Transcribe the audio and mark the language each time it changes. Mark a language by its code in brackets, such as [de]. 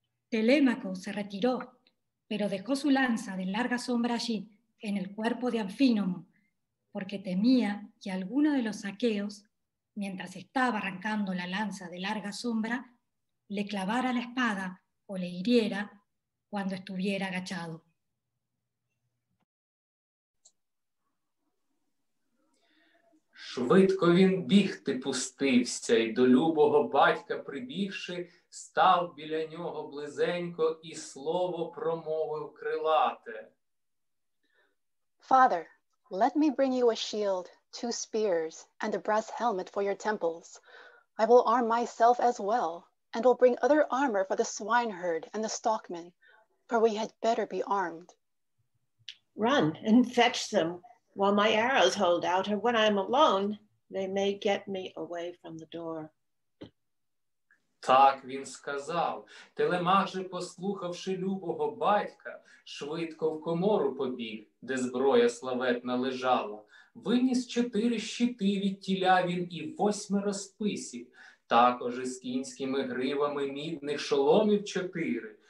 [es] Telémaco se retiró, pero dejó su lanza de larga sombra allí, en el cuerpo de Anfínomo, porque temía que alguno de los aqueos, mientras estaba arrancando la lanza de larga sombra, le clavara la espada o le hiriera cuando estuviera agachado. [uk] Швидко він бігти пустився, і до любого батька прибігши, став біля нього близенько і слово промовив крилате. [en] Father, let me bring you a shield, two spears, and a brass helmet for your temples. I will arm myself as well, and will bring other armor for the swineherd and the stockman, for we had better be armed. Run and fetch them while my arrows hold out, or when I am alone, they may get me away from the door. [uk] Так він сказав. Телемах же, послухавши любого батька, швидко в комору побіг, де зброя славетна лежала. Виніс 4 щити від тіля він і 8 списів. Також із кінськими гривами мідних шоломів 4.